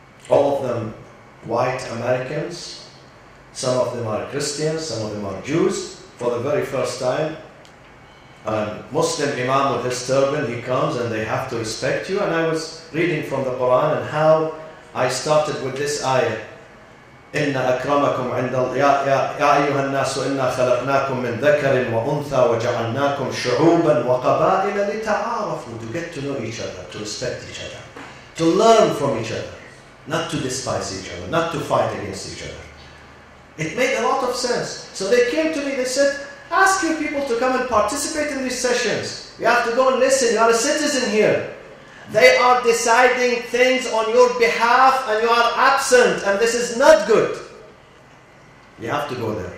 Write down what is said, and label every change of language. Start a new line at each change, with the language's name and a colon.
English: All of them white Americans. Some of them are Christians, some of them are Jews. For the very first time, a Muslim Imam with his turban, he comes and they have to respect you. And I was reading from the Quran and how I started with this ayah.
Arabic: إن أكرمكم عند الله يا أيها الناس إنا خلقناكم من ذكر وأنثى وجعلناكم شعوبا وقبائل لتعارفوا.
English: To get to know each other, to respect each other, to learn from each other, not to despise each other, not to fight against each other. It made a lot of sense. So they came to me, they said, ask your people to come and participate in these sessions. You have to go and listen, you are a citizen here. They are deciding things on your behalf and you are absent and this is not good. You have to go there.